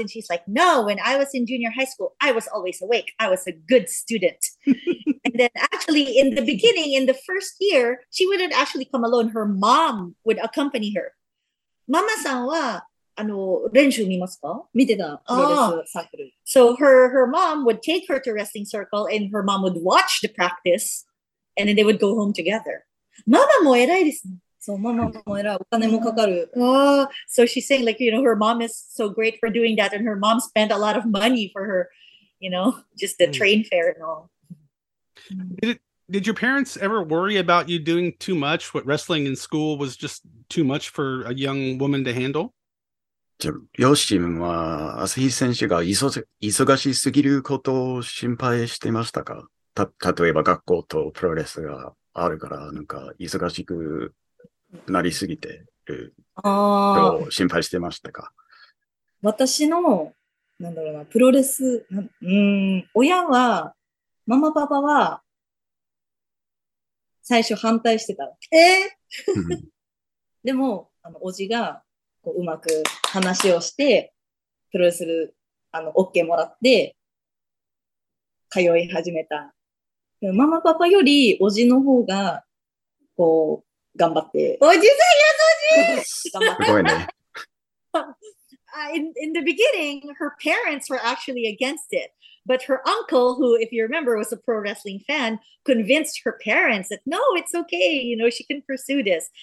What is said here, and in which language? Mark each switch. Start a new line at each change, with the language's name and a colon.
English: And she's like, no, when I was in junior high school, I was always awake. I was a good student. And then actually, in the beginning, in the first year, she wouldn't actually come alone. Her mom would accompany her.
Japanese: ママさんは、練習見ますか？見てた。
English: So her mom would take her to wrestling circle and her mom would watch the practice. And then they would go home together.
Japanese: ママも偉いですね。そう、ママも偉い。お金もかかる。
English: So she's saying, like, you know, her mom is so great for doing that, and her mom spent a lot of money for her, you know, just the train fare and all. Did your parents ever worry about you doing too much? What wrestling in school was just too much for a young woman to handle?
Japanese: じゃあ、両親は朝日選手が忙しすぎることを心配してましたか？例えば学校とプロレスがあるからなんか忙しくなりすぎてると心配してましたか？私のなんだろうなプロレス親はママパパは最初反対してた。でもおじがこううまく話をしてプロレスOK もらって通い始めた。ママパパよりおじの方がこう頑張って。おじさんやおじ。すごいね。
English: In the beginning, her parents were actually against it, but her uncle, who, if you remember, was a pro wrestling fan, convinced her parents that no, it's okay, you know, she can pursue this.